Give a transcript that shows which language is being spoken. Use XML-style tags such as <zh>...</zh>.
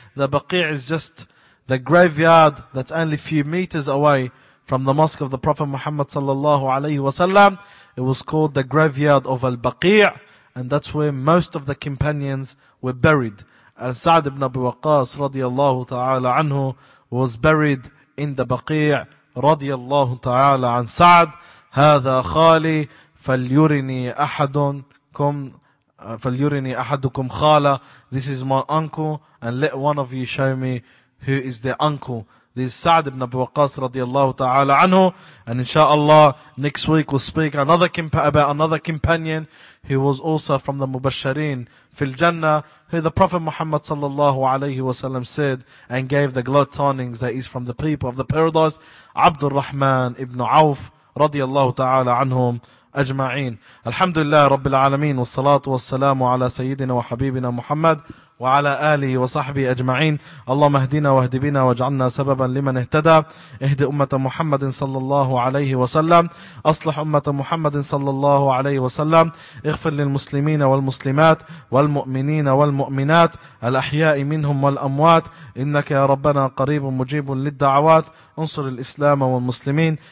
<en>The Baqi' is just the graveyard that's only a few meters away from the mosque of the Prophet Muhammad sallallahu alayhi wa sallam. It was called the graveyard of Al-Baqi', and that's where most of the companions were buried. Al-Sa'd ibn Abi Waqqas radiallahu ta'ala anhu was buried in the Baqi' radiallahu ta'ala an Sa'd.</en> <ar>هذا خالي فليرني أحدكم فليرني أحدكم خالة.</ar> <en>This is my uncle, and let one of you show me who is their uncle. This is Sa'd ibn Abi Waqqas radiallahu ta'ala anhu. And inshaAllah, next week we'll speak about another companion who was also from the Mubashareen fil Jannah, who the Prophet Muhammad sallallahu alayhi wa sallam said and gave the glad tidings that he's from the people of the paradise, Abdul Rahman ibn Awf radiallahu ta'ala anhum ajma'in.</en> <ar>Alhamdulillah rabbil alameen, wa salatu wa salamu ala sayyidina wa habibina Muhammad وعلى آله وصحبه أجمعين. اللهم اهدنا واهد بنا واجعلنا سببا لمن اهتدى. اهد أمة محمد صلى الله عليه وسلم. أصلح أمة محمد صلى الله عليه وسلم. اغفر للمسلمين والمسلمات والمؤمنين والمؤمنات الأحياء منهم والأموات. إنك يا ربنا قريب مجيب للدعوات. انصر الإسلام والمسلمين.</ar>